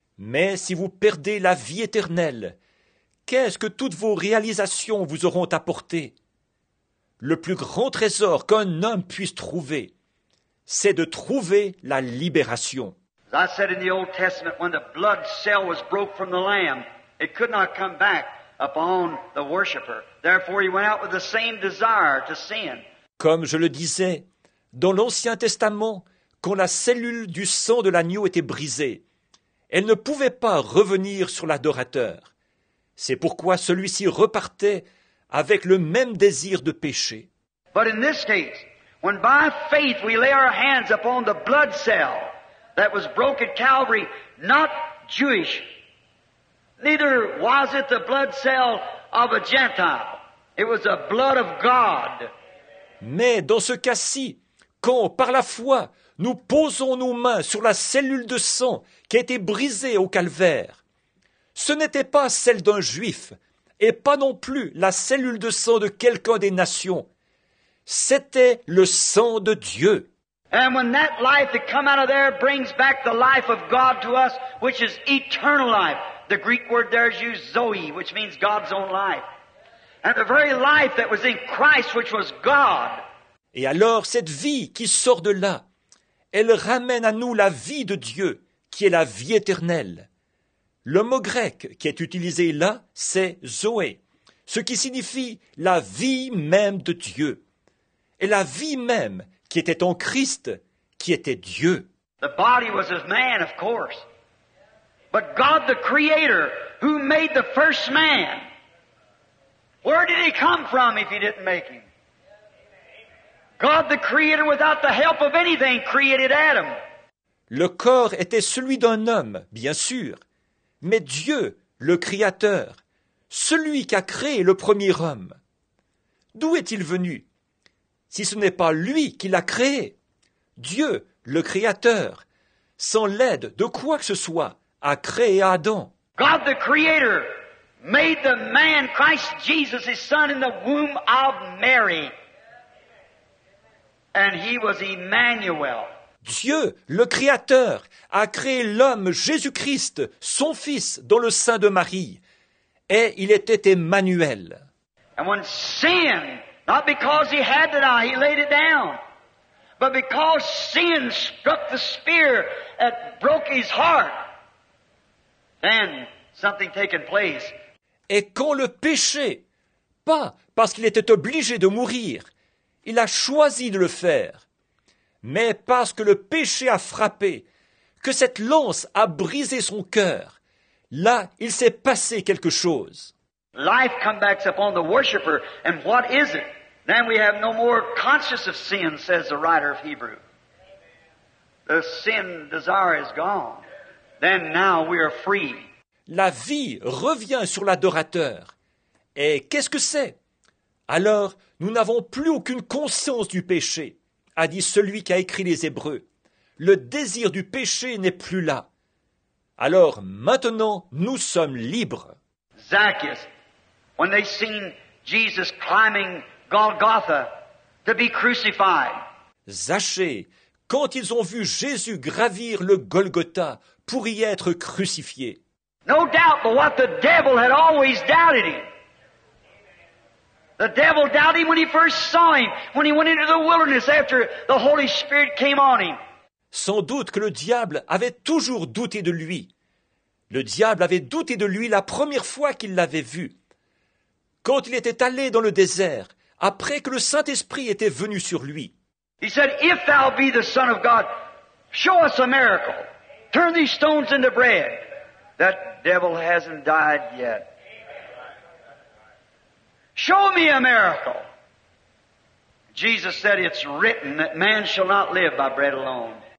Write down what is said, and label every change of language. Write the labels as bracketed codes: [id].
[fr] Mais si vous perdez la vie éternelle, qu'est-ce que toutes vos réalisations vous auront apporté? Le plus grand trésor qu'un homme puisse trouver, c'est de trouver la libération. [en] As I said in the Old Testament, when the blood cell was broke from the lamb, it could not come back upon the worshipper. Therefore, he went out with the same desire to sin. [fr] Comme je le disais, dans l'Ancien Testament, quand la cellule du sang de l'agneau était brisée, elle ne pouvait pas revenir sur l'adorateur. C'est pourquoi celui-ci repartait avec le même désir de pécher. [en] But in this case, when by faith we lay our hands upon the blood cell, that was broke at Calvary, not Jewish. Neither was it the blood cell of a Gentile. It was the blood of God. [fr] Mais dans ce cas-ci, quand par la foi, nous posons nos mains sur la cellule de sang qui a été brisée au calvaire, ce n'était pas celle d'un juif, et pas non plus la cellule de sang de quelqu'un des nations. C'était le sang de Dieu. [en] And when that life that come out of there brings back the life of God to us, which is eternal life. The Greek word there is used zoe, which means God's own life. And the very life that was in Christ, which was God. [fr] Et alors cette vie qui sort de là, elle ramène à nous la vie de Dieu, qui est la vie éternelle. Le mot grec qui est utilisé là, c'est zoe, ce qui signifie la vie même de Dieu. Et la vie même qui était en Christ, qui était Dieu. [en] The body was of man, of course. But God the Creator, who made the first man, where did he come from if he didn't make him? God the Creator, without the help of anything, created Adam. [fr] Le corps était celui d'un homme, bien sûr, mais Dieu, le Créateur, celui qu'a créé le premier homme. D'où est-il venu? Si ce n'est pas lui qui l'a créé, Dieu, le Créateur, sans l'aide de quoi que ce soit, a créé Adam. [en] God the Creator made the man Christ Jesus, his son, in the womb of Mary. And he was Emmanuel. [fr] Dieu, le Créateur, a créé l'homme Jésus-Christ, son fils, dans le sein de Marie. Et il était Emmanuel. [en] And when sin, not because he had the eye, he laid it down. But because sin struck the spear that broke his heart, then something taken place. [fr] Et quand le péché, pas parce qu'il était obligé de mourir, il a choisi de le faire, mais parce que le péché a frappé, que cette lance a brisé son cœur, là, il s'est passé quelque chose. [en] Life comes back upon the worshipper, and what is it? Then we have no more conscious of sin, says the writer of Hebrews. The sin desire is gone. Then now we are free. [fr] La vie revient sur l'adorateur. Et qu'est-ce que c'est? Alors, nous n'avons plus aucune conscience du péché, a dit celui qui a écrit les Hébreux. Le désir du péché n'est plus là. Alors, maintenant, nous sommes libres. [en] Zacchaeus, when they seen Jesus climbing Golgotha to be crucified. [fr] Zachée, quand ils ont vu Jésus gravir le Golgotha pour y être crucifié. [en] No doubt but what the devil had always doubted him. The devil doubted him when he first saw him, when he went into the wilderness after the Holy Spirit came on him. [fr] Sans doute que le diable avait toujours douté de lui. Le diable avait douté de lui la première fois qu'il l'avait vu. Quand il était allé dans le désert, après que le Saint-Esprit était venu sur lui. [en] He said, if thou be the Son of God, show us a miracle. Turn these stones into bread. That devil hasn't died yet. Show me a miracle. Jesus said, it's written that man shall not live by bread alone.